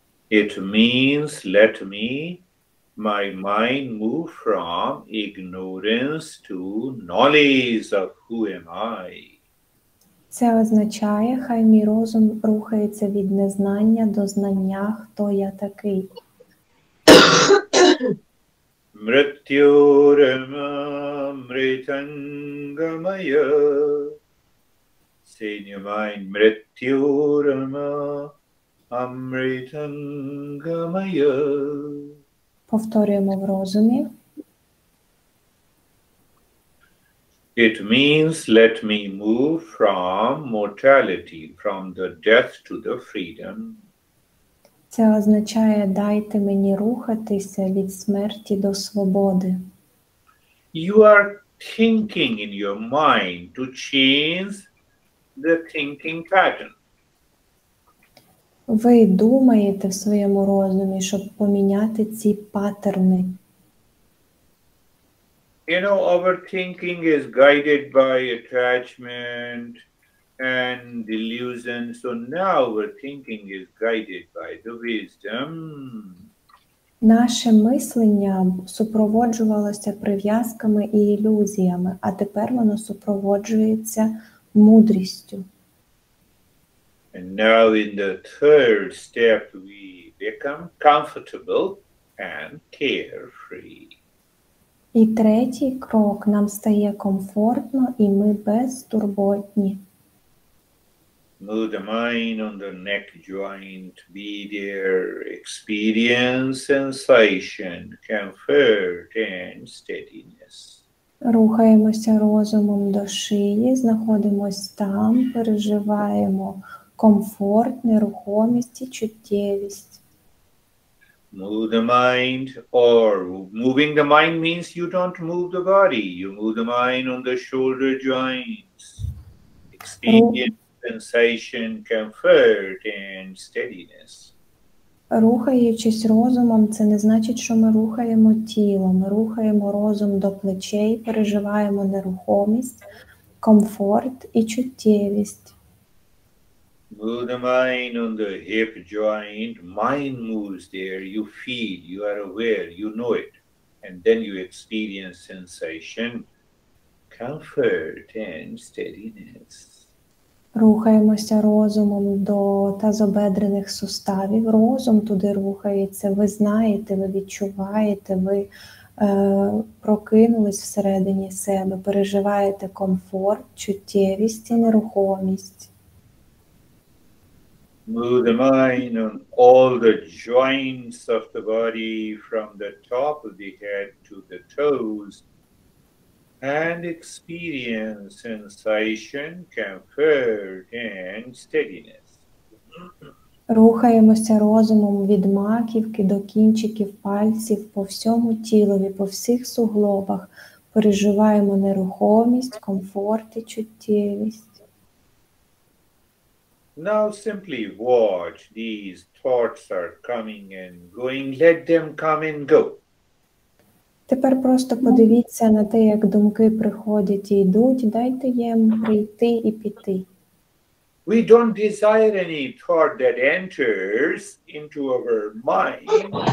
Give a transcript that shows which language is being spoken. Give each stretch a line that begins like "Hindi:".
English: It means let me my mind move from ignorance to knowledge of who am I.
Ukrainian: Це означає, хай мій розум рухається від незнання до знання, хто я такий.
Sanskrit: Мриттюрма мритангамая.
English: Say in your mind,
Sanskrit: мриттюрма амритангамая.
Ukrainian: Повторюємо в розумі.
English: It means let me move from mortality, from the death to the freedom.
Ukrainian: Це означає дайте мені рухатися від смерті до свободи.
English: You are thinking in your mind to change the thinking pattern.
Ukrainian: Ви думаєте в своєму розумі, щоб поміняти ці паттерни.
English: You know, our thinking is guided by attachment and delusion. So now our thinking is guided by the wisdom.
Ukrainian: Наше мислення супроводжувалося прив'язками і ілюзіями, а тепер воно супроводжується мудрістю.
English: And now in the third step we become comfortable and carefree.
Ukrainian: І третій крок нам стає комфортно і ми безтурботні.
English: Move the mind on the neck joint, be there, experience sensation, comfort and steadiness.
Ukrainian: Рухаємося розумом до шиї, знаходимось там, переживаємо комфорт, нерухомість і чуттєвість.
English: Move the mind, or moving the mind means you don't move the body. You move the mind on the shoulder joints. Experience sensation, comfort and steadiness.
Ukrainian: Рухаючись розумом, це не значить, що ми рухаємо тіло. Ми рухаємо розум до плечей, переживаємо нерухомість, комфорт і чуттєвість.
English: Move the mind on the hip joint, mind moves there, you feel, you are aware, you know it, and then you experience sensation, comfort and steadiness.
Ukrainian: Рухаємося розумом до тазобедрених суставів, розум туди рухається, ви знаєте, ви відчуваєте, ви прокинулись всередині себе, переживаєте комфорт, чуттєвість і нерухомість.
English: Move the mind on all the joints of the body from the top of the head to the toes and experience sensation, comfort and steadiness.
Ukrainian: Рухаємося розумом від маківки до кінчиків пальців по всьому тілові, по всіх суглобах. Переживаємо нерухомість, комфорт і чуттєвість.
English: Now simply watch these thoughts are coming and going. Let them come and go.
Ukrainian: Тепер просто подивіться на те, як думки приходять і йдуть. Дайте їм прийти і піти.
English: We don't desire any thought that enters into our mind.